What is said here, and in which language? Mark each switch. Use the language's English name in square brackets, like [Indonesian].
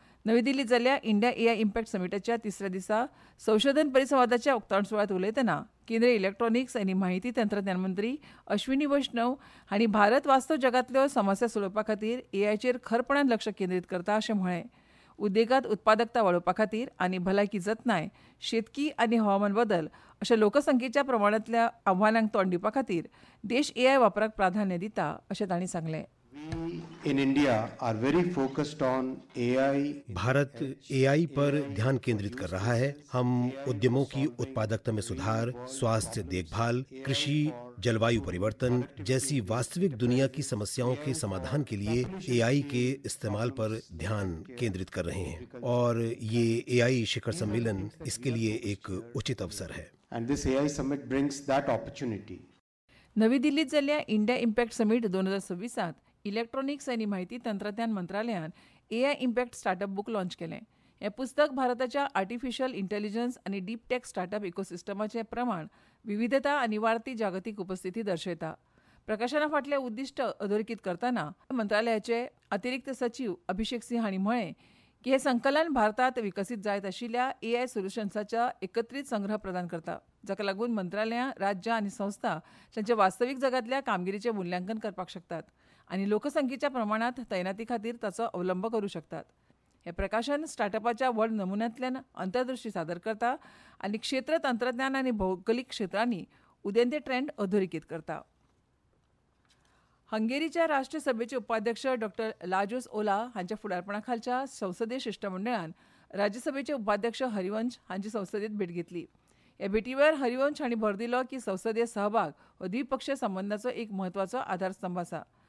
[Konkani] नवी दिल्लीत जाल्ल्या India AI impact समिटाच्या 3रे दिसा संशोधन परिसंवादाच्या उक्तावण सुवाळ्यात उलयतना केंद्रीय इलेक्ट्रॉनिक्स आनी माहिती तंत्रज्ञान मंत्री अश्विनी वैष्णव हांणी भारत वास्तव जगातल्यो समस्या सोडोवपा खातीर एआयचेर खरपणान लक्ष केंद्रीत करता, अशें म्हळें. उद्देगात उत्पादकता वाडोवपा खातीर आनी भलायकी जतनाय, शेतकी आनी हवामान बदल अशा लोकसंख्येच्या प्रमाणांतल्या आव्हानांक तोंड दिवपा खातीर देश एआय वापराक प्राधान्य दिता, अशें तांणी सांगलें. [English] In India are very focused on AI. [Hindi] Bharat AI पर ध्यान केंद्रित कर रहा है. हम उद्यमों की उत्पादकता में सुधार, स्वास्थ्य देखभाल, कृषि, जलवायु परिवर्तन जैसी वास्तविक दुनिया की समस्याओं के समाधान के लिए AI के इस्तेमाल पर ध्यान केंद्रित कर रहे हैं और ये AI शिखर सम्मेलन इसके लिए एक उचित अवसर है. [English] And this AI summit brings that opportunity. [Konkani] नवी दिल्लीत जाल्ल्या इंडिया इम्पॅक्ट समीट 2026 इलेक्ट्रॉनिक्स आनी माहिती तंत्रज्ञान मंत्रालयान AI impact startup book launch केलें. हें पुस्तक भारताच्या आर्टिफिशियल इंटेलिजन्स आनी डीप टॅक स्टार्टअप इकोसिस्टमाचें प्रमाण, विविधता आनी वाडती जागतीक उपस्थिती दर्शयता. प्रकाशना फाटलें उद्दिश्ट अधोरेखीत करतना मंत्रालयाचे अतिरिक्त सचीव अभिषेक सिंह हांणी म्हळें की हें संकलन भारतांत विकसीत जायत आशिल्ल्या एआय सोल्युशन्साच्या एकत्रीत संग्रह प्रदान करता, जाका लागून मंत्रालयां, राज्यां आनी संस्था तांच्या वास्तवीक जगांतल्या कामगिरीचें मुल्यांकन करपाक शकतात आनी लोकसंख्येच्या प्रमाणांत तैनाती खातीर ताचो अवलंब करूं शकतात. हें प्रकाशन स्टार्टअपाच्या व्हड नमुन्यांतल्यान अंतर्दृश्टी सादर करता आनी क्षेत्र तंत्रज्ञान आनी भौगोलीक क्षेत्रांनी उदेंते ट्रेंड अधोरेखीत करता. हंगेरीच्या राष्ट्रीय सभेचे उपाध्यक्ष डॉ लाजोस ओला हांच्या फुडारपणाखालच्या संसदीय शिष्टमंडळान राज्यसभेचे उपाध्यक्ष हरिवंश हांची संसदेत भेट घेतली. ह्या भेटीवेळार हरिवंश हांणी भर दिलो की संसदीय सहभाग हो द्विपक्षीय संबंधाचो एक म्हत्वाचो आधारस्तंभ आसा.